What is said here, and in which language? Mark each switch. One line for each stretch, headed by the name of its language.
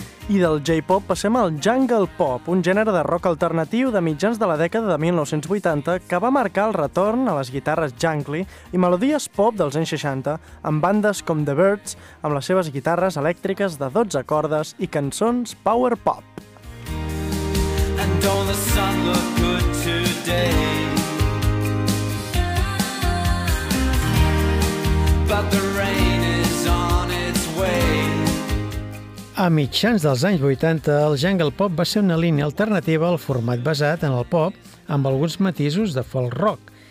Catalan: I del J-pop passem al Jungle Pop, un gènere de rock alternatiu de mitjans de la dècada de 1980 que va marcar el retorn a les guitarres jungly i melodies pop dels anys 60 amb bandes com The Byrds, amb les seves guitarres elèctriques de 12 cordes i cançons power pop.
English: And don't the sun look good today? But the rain is on its way.
Catalan: A mitjans dels anys 80, el jungle pop va ser una línia alternativa al format basat en el pop amb alguns matisos de folk rock.